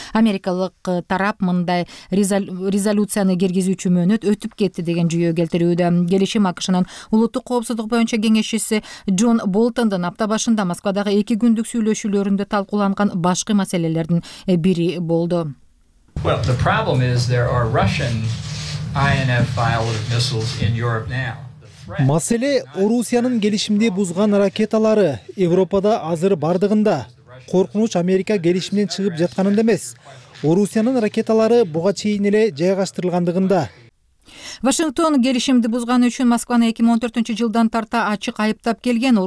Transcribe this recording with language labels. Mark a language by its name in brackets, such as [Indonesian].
[Kyrgyz] Америкалык тарап мындай резолюцияны киргизүүчү мөөнөт өтүп кетти деген жүйө келтирүүдө. Келишим АКШнын улуттук коопсуздук боюнча кеңешчиси Джон Болтондун апта башында Москвадагы эки күндүк сүйлөшүүлөрүндө талкууланган башкы маселелердин бири болду. [English] Well, the problem is there are Russian INF fired missiles in Europe now. [Kyrgyz] Маселе Орусиянын келишимди бузган ракеталары Европада азыр бардыгында. Коркунуч Америка келишимден чыгып жатканында эмес. Орусиянын ракеталары буга чейин эле жайгаштырылгандыгында. Вашингтон келишимди бузганы үчүн Москваны 2014-жылдан тарта ачык айыптап келген.